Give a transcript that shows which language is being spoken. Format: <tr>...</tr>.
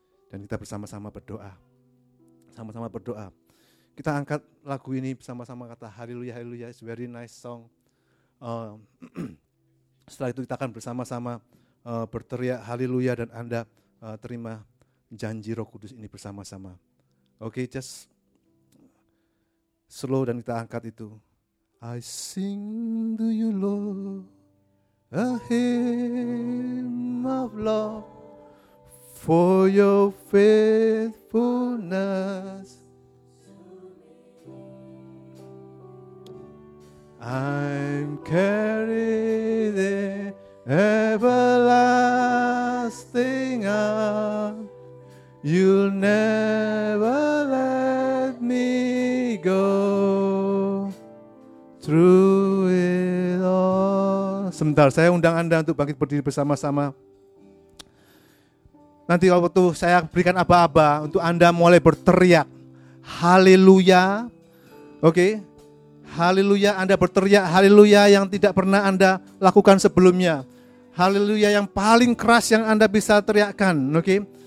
<id>Dan kita bersama-sama berdoa, sama-sama berdoa. Kita angkat lagu ini bersama-sama, kata Haleluya, Haleluya,</id> <en>it's a very nice song.</en> <id>Setelah itu kita akan bersama-sama berteriak haleluya dan Anda terima janji Roh Kudus ini bersama-sama. Okay,</id> <en>just slow</en> <id>dan kita angkat itu.</id> <en>I sing to you, Lord, a hymn of love for your faithfulness. I'm carried in everlasting arms. You'll never let me go through it all.</en> <id>Sebentar, saya undang Anda untuk bangkit berdiri bersama-sama. Nanti waktu saya berikan aba-aba untuk Anda mulai berteriak haleluya. Okay. Haleluya, Anda berteriak haleluya yang tidak pernah Anda lakukan sebelumnya. Haleluya yang paling keras yang Anda bisa teriakkan, okay?</id>